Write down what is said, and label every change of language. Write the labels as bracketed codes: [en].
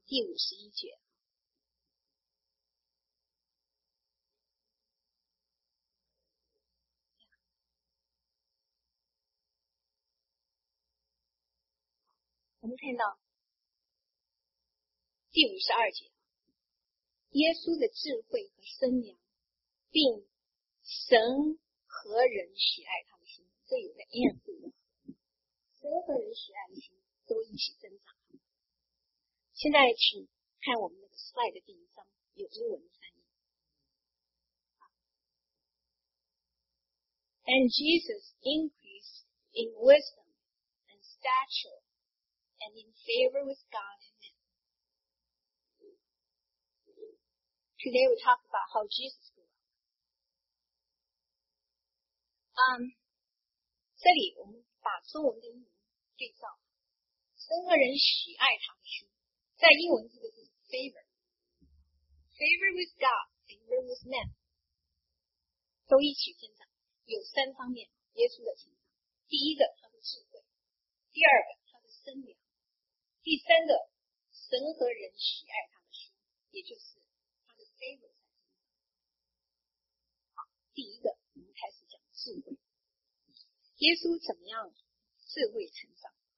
[zh] 第51节，我们看到第52节，耶稣的智慧和身量并神和人喜爱他的心，这有个 and， 神和人喜爱的心都一起增长。现在请看我们那个 slide 的第一章，有英文的翻译。 [en] And Jesus increased in wisdom and stature and in favor with God and men. Today we talk about how Jesus grew up. [zh] 这里我们把中文的英文对照，神和人喜爱他的心。在英文这个是 favor， favor with God， favor with man， 都一起增长。有三方面耶稣的成长，第一个他的智慧，第二个他的身量，第三个神和人喜爱他的心，也就是他的 favor。好，第一个我们开始讲智慧，耶稣怎么样智慧成长。